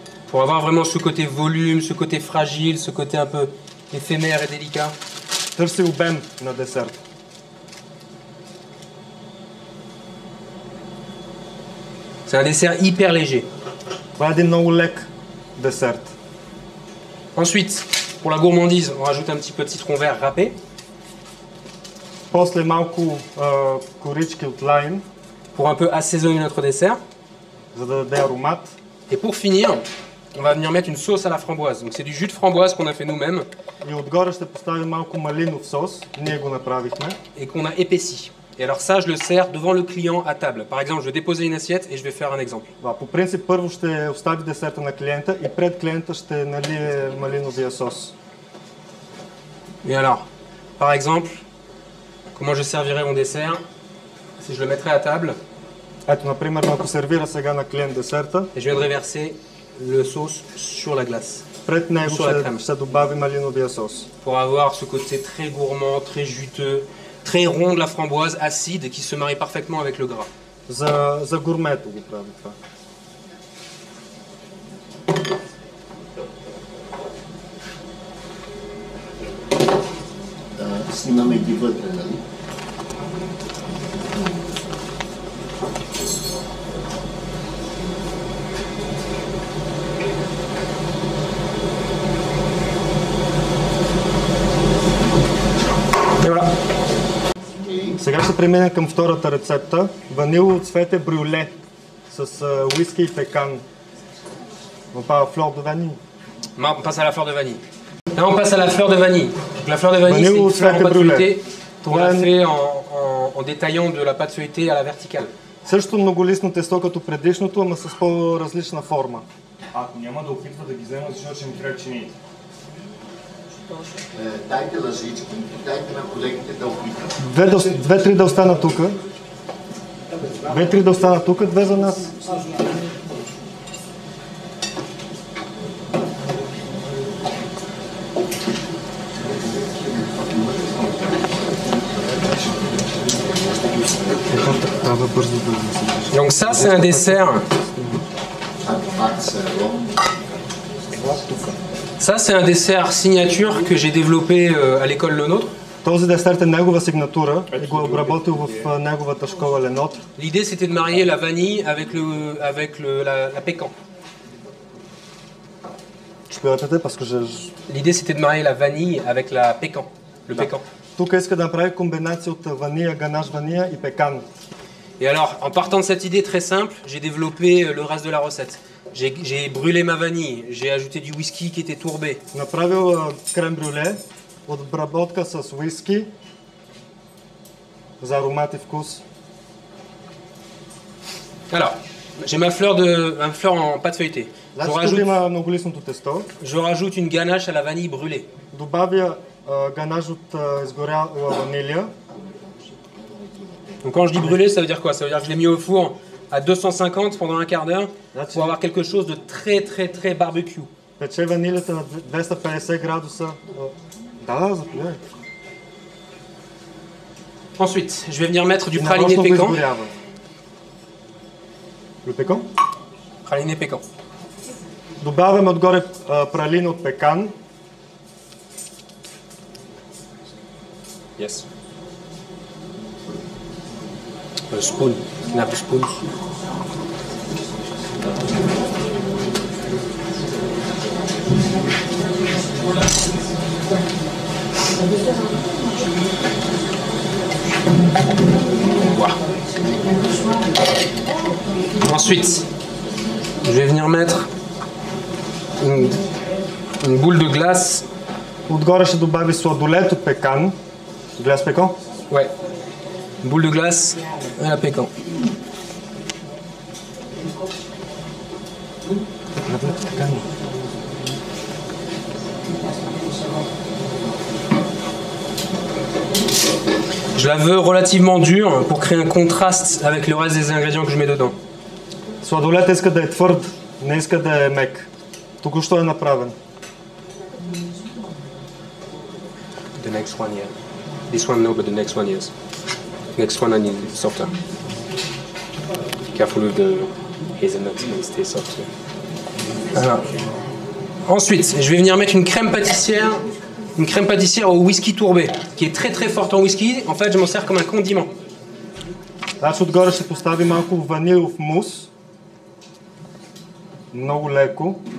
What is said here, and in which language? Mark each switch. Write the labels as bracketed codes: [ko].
[fr] Pour avoir vraiment ce côté volume, ce côté fragile, ce côté un peu éphémère et délicat. [bg] Търси обем на десерта. [fr] C'est un dessert hyper léger. [bg] Това е един много лек десерт. [fr] Ensuite, pour la gourmandise, on rajoute un petit peu de citron vert râpé. [bg] После малко корички от лайм. [fr] Pour un peu assaisonner notre dessert. [bg] За да даде аромат. [fr] Et pour finir, on va venir mettre une sauce à la framboise. Donc c'est du jus de framboise qu'on a fait nous-mêmes. [bg] И отгоре ще поставим малко малинов сос. Ние го направихме. [fr] Et qu'on a épaissi. Et alors ça, je le sers devant le client à table. Par exemple, je vais déposer une assiette et je vais faire un exemple. [bg] По принцип, първо ще остави десерта на клиента и пред клиента ще налие малиновия сос. [fr] Et alors, par exemple, comment je servirai mon dessert si je le mettrais à table? [bg] Ето, например, ако сервира сега на клиент десерта. [fr] Et je viendrai verser le sauce sur la glace. [bg] Пред него ще добави малиновия сос. [fr] Pour avoir ce côté très gourmand, très juteux, très rond de la framboise acide qui se marie parfaitement avec le gras. [bg] За гурмето го прави това. Снимаме ги вътре, Сега ще преминем към втората рецепта. Ванилово цвете брюле с whisky и пекан. [fr] On passe à la fleur de vanille. Non, on passe à la fleur de vanille. Là, on passe à la fleur de vanille. Donc, la fleur de vanille, c'est une fleur en pâte feuilletée. On l'a fait en détaillant de la pâte feuilletée à la verticale. [bg] Също многолистно тесто като предишното, ама с по-различна форма. Ако няма да опитва да ги взема, защото ще ми трябва чиниите. Дайте лъжички, дайте на колегите да опитат. Две-три да останат тук. Две-три да останат тук, две за нас. [fr] Donc ça, c'est un dessert. Ça, c'est un dessert signature que j'ai développé à l'école Lenôtre. [bg] Този десерт е негова сигнатура и го е обработил в неговата школа Lenôtre. [fr] L'idée, c'était de marier la vanille avec la pécan. Je peux répéter parce que L'idée, c'était de marier la vanille avec la pécan, le pécan. [bg] Тук иска да направи комбинация от ванила, ганаш, ванила и пекан. [fr] Et alors, en partant de cette idée très simple, j'ai développé le reste de la recette. J'ai brûlé ma vanille, j'ai ajouté du whisky qui était tourbé. J'ai fait une crème brûlée, [bg] от обработка с whisky, за аромат и вкус. [fr] Alors, j'ai ma fleur en pâte feuilletée. Là, je rajoute une ganache à la vanille brûlée. [bg] Добавя ганаш от изгоряла ванилия. [fr] Donc quand je dis brûler, ça veut dire quoi? Ça veut dire que je l'ai mis au four à 250 pendant un quart d'heure pour avoir quelque chose de très très très barbecue. Pêche vanille à 250 degrés. Ensuite, je vais venir mettre du praliné pécan. Le pécan? Praliné pécan. [bg] Добавяме отгоре пралин от пекан. [en] Yes. Spoon, knapp spoon. Wow. [fr] Ensuite, je vais venir mettre une boule de glace. Outgore, je dois mettre sur doulette ou pécan. Glace pécan? Ouais. Boule de glace et la pécan. Je la veux relativement dure pour créer un contraste avec le reste des ingrédients que je mets dedans. [bg] Сладолет иска да е твърд, не иска да е мек. Току-що е направен. [en] The next one, yeah. This one, no, but the next one, yes. Next one, I need it softer. Careful with the hazelnut, it stays softer. [fr] Ensuite, je vais venir mettre une crème pâtissière au whisky tourbé, qui est très très forte en whisky. En fait, je m'en sers comme un condiment. Là, je vais mettre un peu de vanille en mousse. [bg] Много леко.